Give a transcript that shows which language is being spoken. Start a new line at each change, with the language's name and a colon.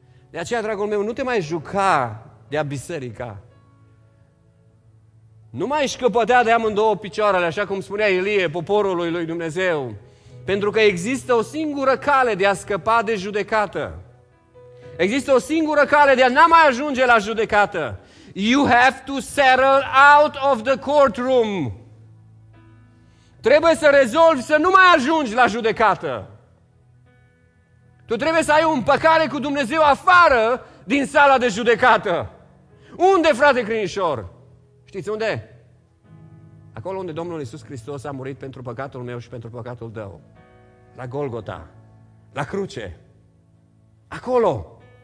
Romanian: De aceea, dragul meu, nu te mai juca de-a biserica. Nu mai șchiopătea de amândouă picioarele, așa cum spunea Ilie, poporului lui Dumnezeu. Pentru că există o singură cale de a scăpa de judecată. Există o singură cale de a n-a mai ajunge la judecată.
English: You have to settle out of the courtroom.
Romanian: Trebuie să rezolvi să nu mai ajungi la judecată. Tu trebuie să ai o împăcare cu Dumnezeu afară din sala de judecată. Unde, frate Crinișor? Știți unde? Acolo unde Domnul Iisus Hristos a murit pentru păcatul meu și pentru păcatul tău. La Golgota. La cruce. Acolo.